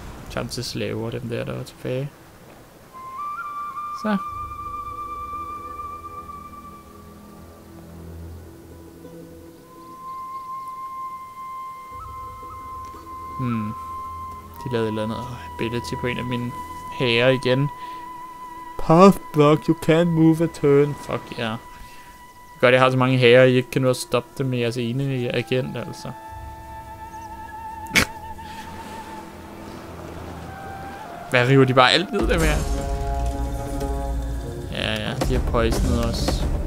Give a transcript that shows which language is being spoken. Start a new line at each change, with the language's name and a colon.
Danish: Chance til slaver, dem der var tilbage. Så. De lavede et eller andet ability på en af mine hære igen.
English: Puffbuck, you can't move a turn.
Danish: Fuck ja.
English: Yeah.
Danish: Godt, jeg har så mange hære, I ikke kan nu stoppe dem med jeres ene agent, altså. Hvad river de bare alt ned dem her? Ja, de har poisonet os.